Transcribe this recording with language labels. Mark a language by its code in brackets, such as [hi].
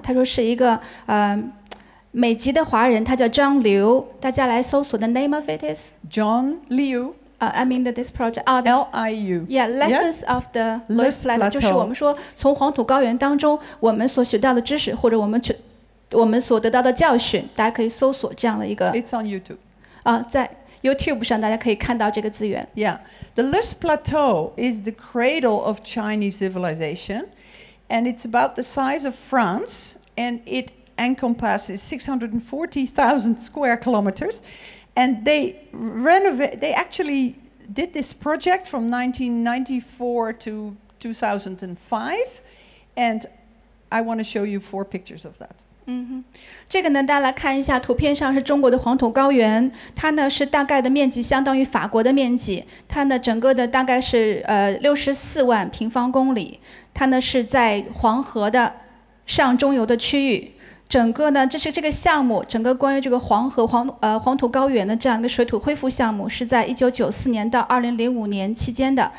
[zh] 他说是一个美籍的华人，他叫张刘，大家来搜索 ， [en] the name of it is John Liu。 I mean that this project, L-I-U. Yeah, Lessons of the Lush Plateau. [zh] 就是我们说从黄土高原当中我们所学到的知识，或者我们所得到的教训，大家可以搜索这样的一个。 [en] It's on YouTube. [zh] 在 YouTube 上大家可以看到这个资源。 [en] Yeah, the Lush Plateau is the cradle of Chinese civilization, and it's about the size of France, and it encompasses 640,000 square kilometers. And they actually did this project from 1994 to 2005, and I want to show you four pictures of that. [zh] 这个呢，大家来看一下，图片上是中国的黄土高原，它呢是大概的面积相当于法国的面积，它呢整个的大概是64万平方公里，它呢是在黄河的上中游的区域，整个呢这是这个项目，整个关于这个黄河黄土高原的这样一个水土恢复项目，是在1994年到2005年期间的。